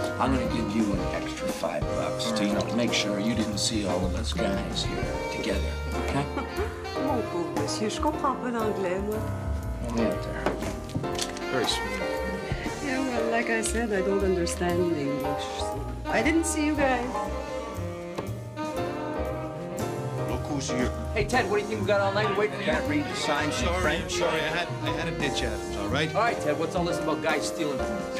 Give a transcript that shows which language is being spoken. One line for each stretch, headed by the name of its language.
English: I'm going to give you an extra $5 to, you know, to make sure you didn't see all of us guys here together, okay?
French: Mon beau monsieur, je comprends pas l'anglais, moi.
English: Yeah, very sweet. Yeah, well, like I said, I don't understand English. So I didn't see you guys. Look who's here. Hey, Ted, what do you think we got all night waiting for you? Can't read the signs. Sorry, sorry, I had a ditch at it, all right? All right, Ted, what's all this about guys stealing from us?